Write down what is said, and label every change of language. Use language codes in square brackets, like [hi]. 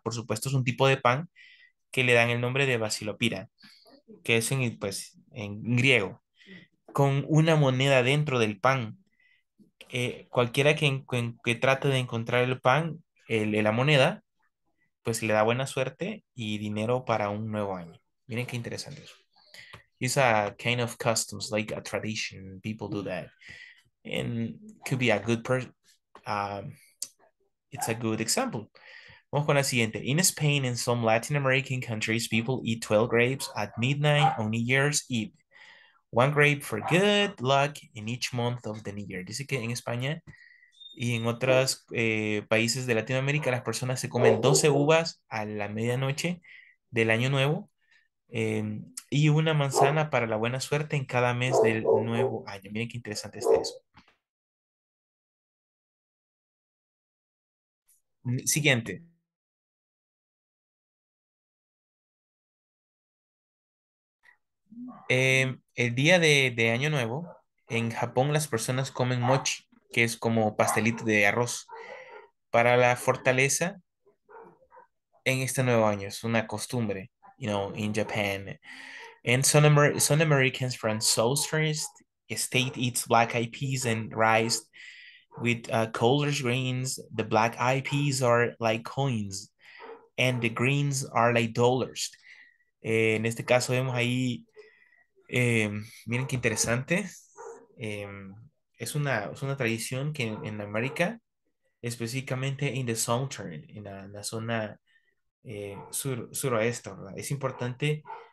[es] Por supuesto, es un tipo de pan que le dan el nombre de vasilopita, que es en griego. Con una moneda dentro del pan. Cualquiera que trate de encontrar el pan, la moneda, pues le da buena suerte y dinero para un nuevo año. Miren qué interesante eso. [en] It's a kind of customs, like a tradition. People do that. And could be a good it's a good example. [es] Vamos con la siguiente. [en] In Spain and some Latin American countries, people eat 12 grapes at midnight on New Year's Eve. One grape for good luck in each month of the new year. [es] Dice que en España y en otros países de Latinoamérica las personas se comen 12 uvas a la medianoche del año nuevo y una manzana para la buena suerte en cada mes del nuevo año. Miren qué interesante está eso. Siguiente. El día de Año Nuevo, en Japón las personas comen mochi, que es como pastelito de arroz, para la fortaleza en este nuevo año. Es una costumbre, [en] you know, in Japan. And some Americans from southeast state eats black-eyed peas and rice with colored greens. The black-eyed peas are like coins, and the greens are like dollars. [es] En este caso vemos ahí, miren qué interesante. Es una tradición que en América, específicamente [en] in the southern, [es] en la zona suroeste, ¿verdad? Es importante.